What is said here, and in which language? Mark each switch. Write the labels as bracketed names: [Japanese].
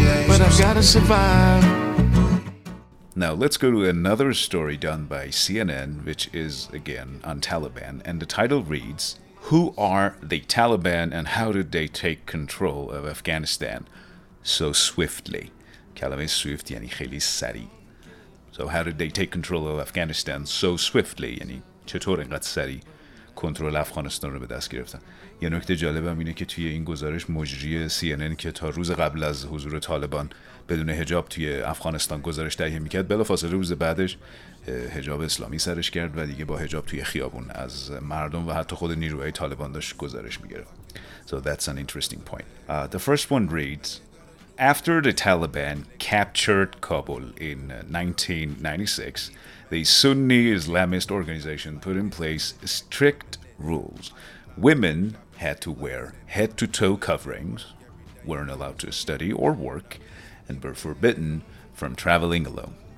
[English] But I've gotta survive. Now let's go to another story done by CNN, which is again on Taliban, and the title reads, Who are the Taliban and how did they take control of Afghanistan so swiftly? [Persian] کلمه swift یعنی خیلی سریع. [English] So how did they take control of Afghanistan so swiftly? [Persian] یعنی چطور اینقدر سریع کنترل افغانستان رو به دست گرفتن؟ یه نکته جالب هم اینه که توی این گزارش مجری CNN که تا روز قبل از حضور طالبان بدون حجاب توی افغانستان گزارش تهیه میکرد، بلافاصله روز بعدش حجاب اسلامی سرش کرد و دیگه با حجاب توی خیابون از مردم و حتی خود نیروهای طالبان داشت گزارش میگرفت. [English] So that's an interesting point. The first one reads, After the Taliban captured Kabul in 1996, the Sunni Islamist organization put in place strict rules. Women had to wear head-to-toe coverings, weren't allowed to study or work, and were forbidden from traveling alone.